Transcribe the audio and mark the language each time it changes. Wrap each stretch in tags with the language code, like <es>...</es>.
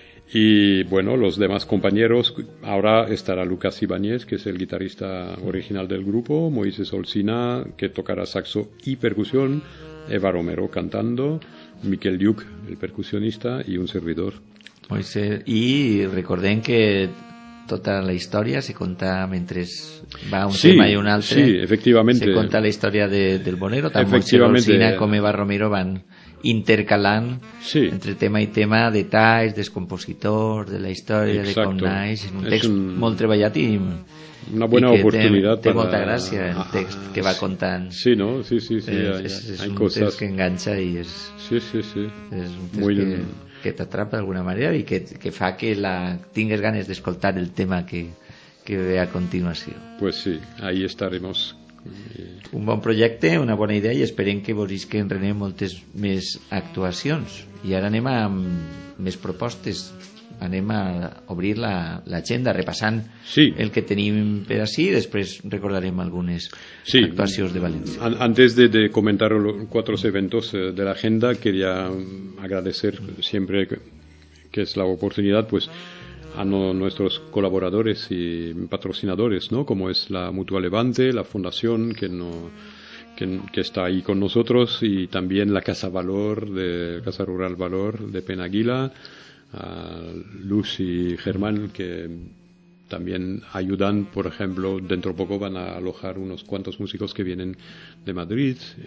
<es>Y bueno, los demás compañeros, ahora estará Lucas Ibáñez, que es el guitarrista original del grupo, Moisés Olcina, que tocará saxo y percusión, Eva Romero cantando, Miquel Lluc, el percusionista, y un servidor. Moisés, y recordén que toda la historia se cuenta mientras va un sí, tema y un otro. Sí, efectivamente. Se cuenta la historia del bolero, también Moisés Olcina con Eva Romero</es> <ca>van intercalant</ca> <es>sí.</es> <ca>Entre tema i tema, detalls, descompositor, de la història, exacto. De com naix, un text molt treballat i una bona oportunitat. Té molta gràcia el text que va contant. Sí, no? Sí, sí, sí. És un cosas. Text que enganxa i és... Sí, sí, sí. És un text que t'atrapa d'alguna manera i que fa que tingues ganes d'escoltar el tema que ve a continuació.</ca> <es>Pues sí, ahí estaremos.</es> <ca>Un bon projecte, una bona idea i esperem que vos isquen René moltes més actuacions. I ara anem a més propostes, anem a obrir l'agenda repassant sí. El que tenim per ací i després recordarem algunes sí. Actuacions de València.</ca> <es>Antes de comentar los cuatro eventos de l'agenda, quería agradecer siempre que es la oportunidad, pues a nuestros colaboradores y patrocinadores, ¿no? Como es la Mutua Levante, la Fundación que está ahí con nosotros y también la Casa Valor de Casa Rural Valor de Penàguila, a Luz y Germán que también ayudan, por ejemplo, dentro de poco van a alojar unos cuantos músicos que vienen de Madrid.</es>